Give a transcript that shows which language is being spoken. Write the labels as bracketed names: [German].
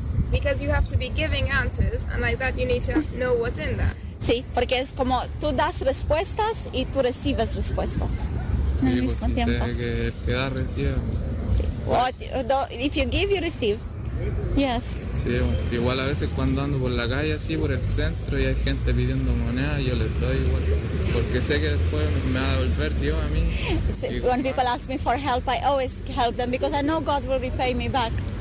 [English] Because you have to be giving answers, and like that you need to know what's in that. [Spanish] Sí, porque es como tú das respuestas y tú recibes respuestas. Sí, porque dar recibe. Sí. [English] If you give, you receive. Yes. [Spanish] Sí, bueno. Igual a veces cuando ando por la calle así, por el centro, y hay gente pidiendo moneda, yo les doy igual. Porque sé que después me va a devolver Dios a mí. [English] When people ask me for help, I always help them because I know God will repay me back.